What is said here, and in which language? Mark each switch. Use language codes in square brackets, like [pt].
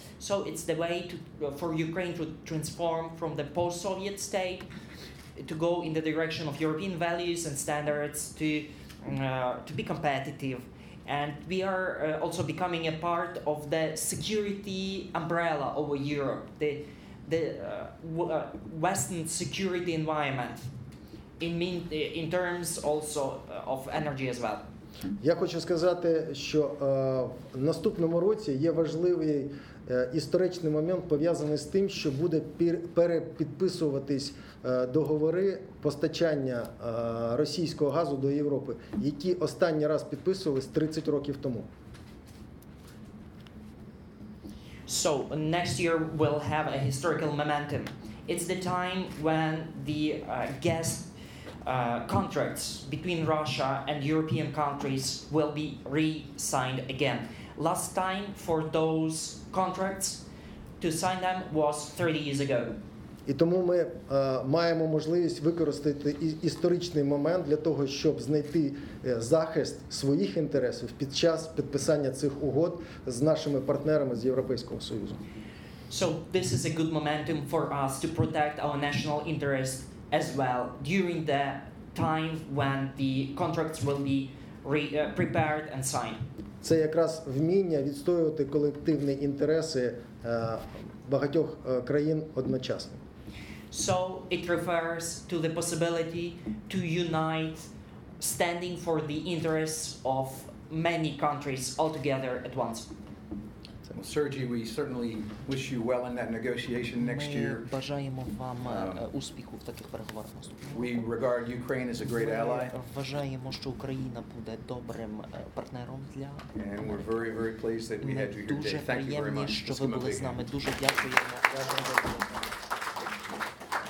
[en] So it's the way to, for Ukraine to transform from the post-Soviet state to go in the direction of European values and standards to be competitive. And we are also becoming a part of the security umbrella over Europe, the Western security environment. In terms also of energy as well. [uk] Я хочу сказати, що в наступному році є важливий історичний момент, пов'язаний з тим, що буде перепідписуватись договори постачання російського газу до Європи, які останній раз підписувались 30 років тому. [en] So next year we'll have a historical momentum. It's the time when the gas contracts between Russia and European countries will be re-signed again. Last time for those contracts to sign them was 30 years ago. [uk] І тому ми маємо можливість використати історичний момент для того, щоб знайти захист своїх інтересів під час підписання цих угод з нашими партнерами з Європейського Союзу. [en] So this is a good momentum for us to protect our national interests as well during the time when the contracts will be prepared and signed. [uk] Це якраз вміння відстоювати колективні інтереси багатьох країн одночасно. [en] So it refers to the possibility to unite standing for the interests of many countries all together at once. Well, Sergey, we certainly wish you well in that negotiation next year. [uk] Ми бажаємо вам успіху в таких переговорах наступного року. [en] We regard Ukraine as a great ally. [uk] Вважаємо, що Україна буде добрим партнером для. [en] And we're very, very pleased that we had you here today. Thank you very much. [uk] Дуже приємно, що ви були з нами. Дуже дякуємо.